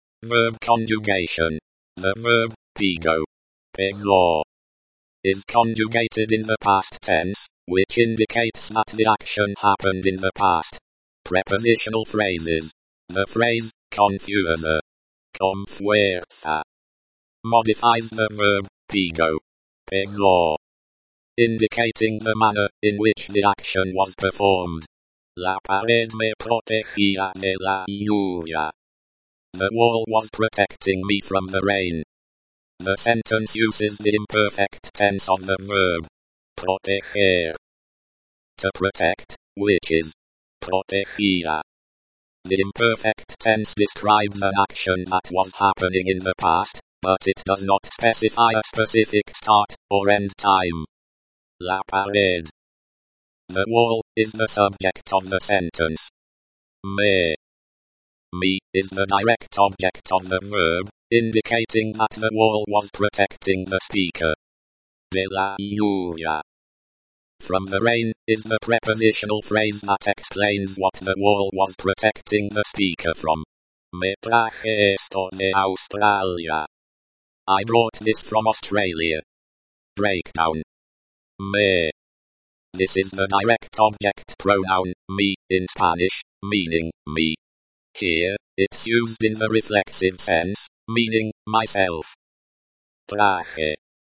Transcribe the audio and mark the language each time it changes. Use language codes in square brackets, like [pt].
[en] Verb conjugation. The verb pego, peglo, is conjugated in the past tense, which indicates that the action happened in the past. Prepositional phrases. The phrase confusa, con fuerza, modifies the verb pego, peglo, indicating the manner in which the action was performed. [es] La pared me protegía de la lluvia. [en] The wall was protecting me from the rain. The sentence uses the imperfect tense of the verb proteger, to protect, which is protegía. The imperfect tense describes an action that was happening in the past, but it does not specify a specific start or end time. [es] La pared. [en] The wall is the subject of the sentence. Me. Me is the direct object of the verb, indicating that the wall was protecting the speaker. [es] De la lluvia. [en] From the rain is the prepositional phrase that explains what the wall was protecting the speaker from. [es] Me traje esto de Australia. [en] I brought this from Australia. Breakdown. Me. This is the direct object pronoun, me, in Spanish, meaning me. Here, it's used in the reflexive sense, meaning myself. Traje.